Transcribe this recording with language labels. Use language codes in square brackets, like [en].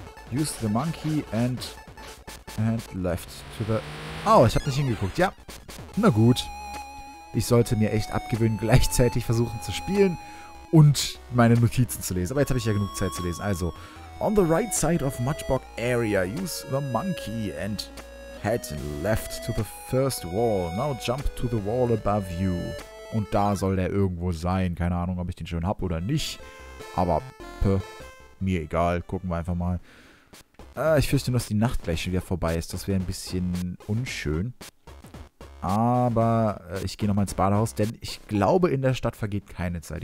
[en] Use the monkey and left to the... [de] Oh, ich habe nicht hingeguckt. Ja, na gut. Ich sollte mir echt abgewöhnen, gleichzeitig versuchen zu spielen und meine Notizen zu lesen. Aber jetzt habe ich ja genug Zeit zu lesen. [en] Also, on the right side of Mudbog area, use the monkey and head left to the first wall. Now jump to the wall above you. [de] Und da soll der irgendwo sein. Keine Ahnung, ob ich den schon habe oder nicht. Aber, mir egal. Gucken wir einfach mal. Ich fürchte nur, dass die Nacht gleich schon wieder vorbei ist. Das wäre ein bisschen unschön. Aber ich gehe nochmal ins Badehaus, denn ich glaube, in der Stadt vergeht keine Zeit.